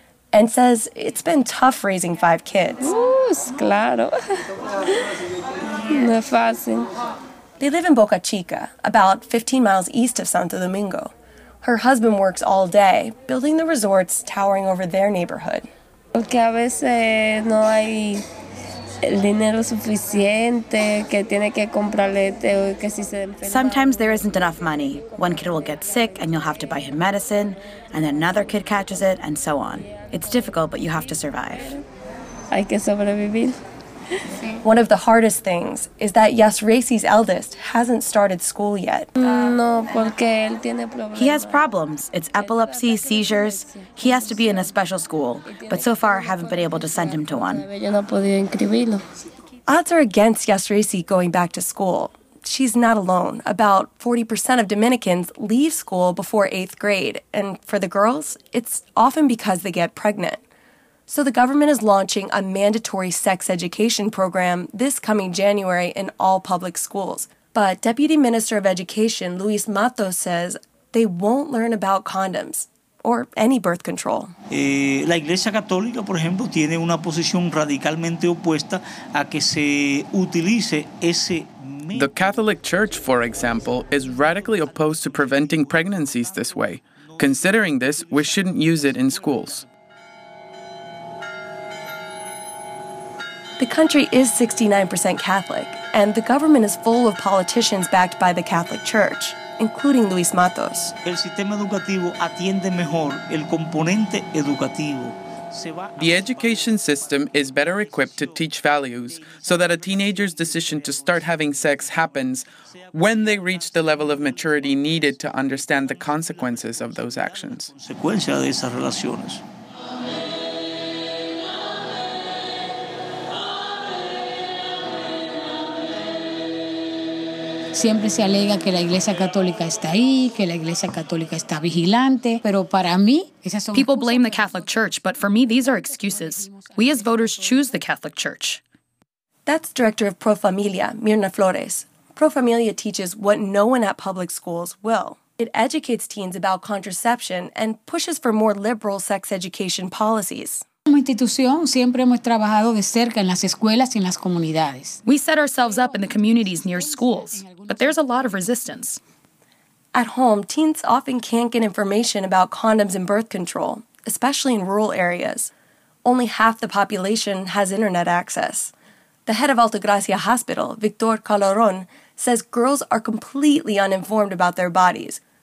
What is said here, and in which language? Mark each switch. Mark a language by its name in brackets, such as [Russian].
[English] And says it's been tough raising five kids. [Spanish] Ooh, claro. No fácil. [English] They live in Boca Chica, about 15 miles east of Santo Domingo. Her husband works all day, building the resorts towering over their neighborhood. [Spanish] Porque a veces no hay dinero suficiente que tiene que comprarle que si se enferma. [English] Sometimes there isn't enough money. One kid will get sick and you'll have to buy him medicine, and then another kid catches it, and so on. It's difficult, but you have to survive. [Spanish] Hay que sobrevivir. [English] One of the hardest things is that Yasreci's eldest hasn't started school yet. [Spanish] No, porque él tiene problemas. [English] He has problems. It's epilepsy, seizures. He has to be in a special school, but so far I haven't been able to send him to one. [Spanish] Yo no podía inscribirlo. [English] Odds are against Yasreci going back to school. She's not alone. About 40% of Dominicans leave school before eighth grade, and for the girls, it's often because they get pregnant. So the government is launching a mandatory sex education program this coming January in all public schools. But Deputy Minister of Education Luis Matos says they won't learn about condoms, or any birth control. [Spanish] La Iglesia Católica, por ejemplo, tiene una posición radicalmente opuesta a que se utilice ese. [English] The Catholic Church, for example, is radically opposed to preventing pregnancies this way. Considering this, we shouldn't use it in schools. The country is 69% Catholic, and the government is full of politicians backed by the Catholic Church, including Luis Matos. [Spanish] El sistema educativo atiende mejor el componente educativo. [English] The education system is better equipped to teach values so that a teenager's decision to start having sex happens when they reach the level of maturity needed to understand the consequences of those actions. [Spanish] Siempre se alega que la Iglesia Católica está ahí, que la Iglesia Católica está vigilante, pero para mí, esas son. [English] People blame the Catholic Church, but for me, these are excuses. We as voters choose the Catholic Church. That's director of Pro Familia, Mirna Flores. Pro Familia teaches what no one at public schools will. It educates teens about contraception and pushes for more liberal sex education policies. [Spanish] Como institución, siempre hemos trabajado de cerca en las escuelas y en las comunidades. [English] We set ourselves up in the communities near schools, but there's a lot of resistance. At home, teens often can't get information about condoms and birth control, especially in rural areas. Only half the population has internet access. The head of Altagracia Hospital, Victor Calderon, says girls are completely uninformed about their bodies.